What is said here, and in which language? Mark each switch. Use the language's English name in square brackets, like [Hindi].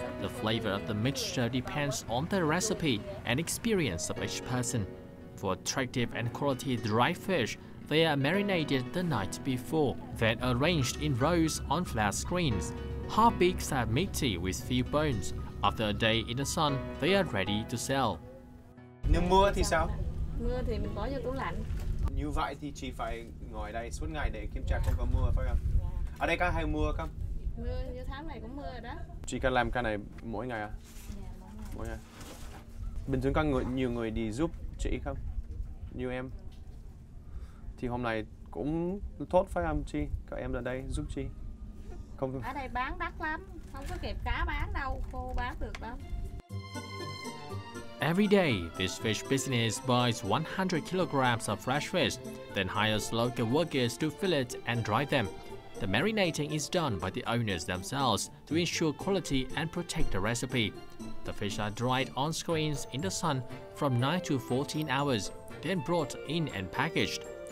[English] The flavor of the mixture depends on the recipe and experience of each person. For attractive and quality dry fish, they are marinated the night before, then arranged in rows on flat screens. Hard beaks are meaty with few bones. After a day in the sun, they are ready to sell. [Vietnamese] Nếu mưa thì sao? Mưa thì mình bỏ vô tủ lạnh. Như vậy thì chị phải ngồi đây suốt ngày để kiểm tra không có mưa phải không? Ở đây có hay mưa không? Mưa, như tháng này cũng mưa rồi đó. Chị cần làm cái này mỗi ngày à? Dạ, mỗi ngày. Bình thường có nhiều người đi giúp chị không? Như em? Thì hôm nay cũng tốt phải không chị? Có em ở đây giúp chị? Không. Ở đây bán đắt lắm, không có kịp cá bán đâu, khô bán được lắm. [English] Every day, this fish business buys 100 kilograms of fresh fish, then hires local workers to fillet and dry them. The marinating is done by the owners themselves to ensure quality and protect the recipe. The fish are dried on screens in the sun from 9 to 14 hours, then brought in and packaged.